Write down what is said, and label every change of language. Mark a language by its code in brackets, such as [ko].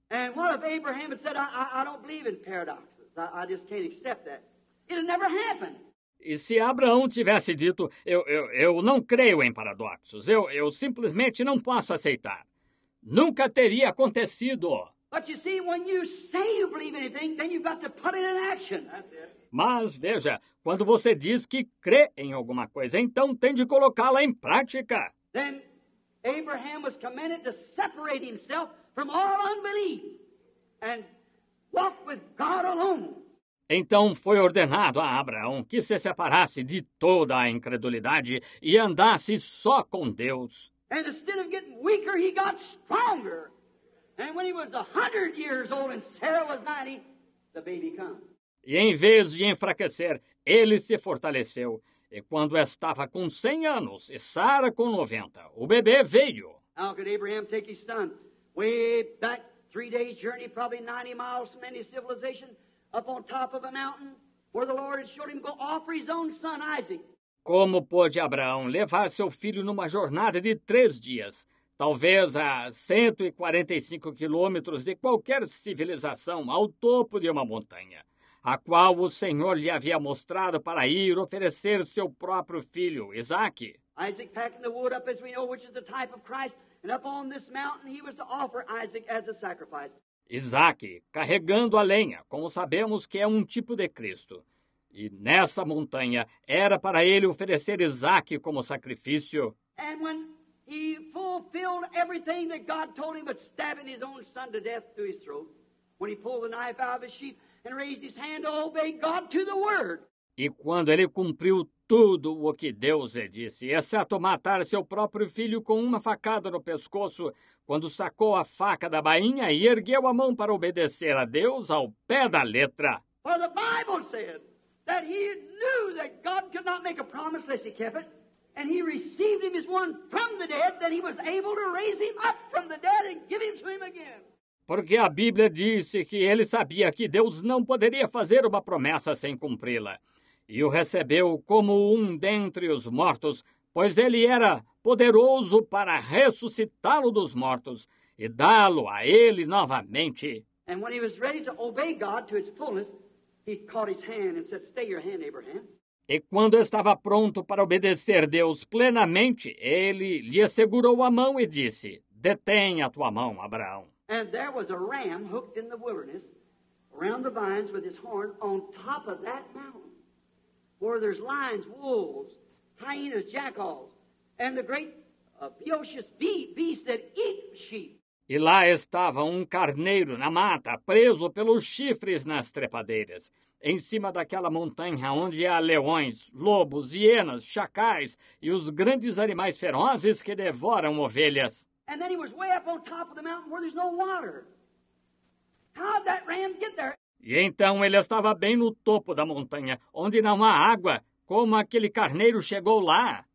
[en] And what if Abraham had said, I don't believe in paradoxes. I just can't accept that. It'll never happen. [pt] E se Abraão tivesse dito, eu não creio em paradoxos. Eu simplesmente não posso aceitar. Nunca teria acontecido. [en] But you see, when you say you believe anything, then you've got to put it in action. That's it. [pt] Mas veja, quando você diz que crê em alguma coisa, então tem de colocá-la em prática. [en] Then Abraham was commanded to separate himself from all unbelief and walk with God alone. [pt] Então foi ordenado a Abraão que se separasse de toda a incredulidade e andasse só com Deus. [en] And instead of getting weaker, he got stronger. And when he was 100 years old and Sarah was 90, the baby came. [pt] E em vez de enfraquecer, ele se fortaleceu. E quando estava com 100 anos e Sara com 90, o bebê veio. [en] How could Abraham take his son way back 3 days journey, probably 90 miles from any civilization, up on top of a mountain where the Lord had showed him go offer his own son Isaac? [pt] Como pôde Abraão levar seu filho numa jornada de 3 dias? Talvez a 145 quilômetros de qualquer civilização ao topo de uma montanha, a qual o Senhor lhe havia mostrado para ir oferecer seu próprio filho, Isaac. [en] Isaac packing the wood up, as we know, which is the type of Christ, and up on this mountain he was to offer Isaac as a sacrifice. [pt] Isaac carregando a lenha, como sabemos que é um tipo de Cristo. E nessa montanha era para ele oferecer Isaac como sacrifício. [en] And when he fulfilled everything that God told him, but stabbing his own son to death through his throat. When he pulled the knife out of his sheath and raised his hand to obey God to the word. [pt] E quando ele cumpriu tudo o que Deus lhe disse, exceto matar seu próprio filho com uma facada no pescoço, quando sacou a faca da bainha e ergueu a mão para obedecer a Deus ao pé da letra. [en] For the Bible said that he knew that God could not make a promise unless he kept it. And he received him as one from the dead, that he was able to raise him up from the dead and give him to him again. [pt] Porque a Bíblia disse que ele sabia que Deus não poderia fazer uma promessa sem cumpri-la. E o recebeu como um dentre os mortos, pois ele era poderoso para ressuscitá-lo dos mortos e dá-lo a ele novamente. [en] And when he was ready to obey God to its fullness, he caught his hand and said, "Stay your hand, Abraham." [pt] E quando estava pronto para obedecer Deus plenamente, ele lhe segurou a mão e disse, "Detém a tua mão, Abraão." [en] And there was a ram hooked in the wilderness, around the vines with his horn, on top of that mountain, where there's lions, wolves, hyenas, jackals, and the great ferocious beast that eat sheep. [pt] E lá estava um carneiro na mata, preso pelos chifres nas trepadeiras, em cima daquela montanha onde há leões, lobos, hienas, chacais e os grandes animais ferozes que devoram ovelhas. [en] And then he was way up on top of the mountain where there's no water. How did that ram get there? [pt] E então ele estava bem no topo da montanha, onde não há água. Como aquele carneiro chegou lá?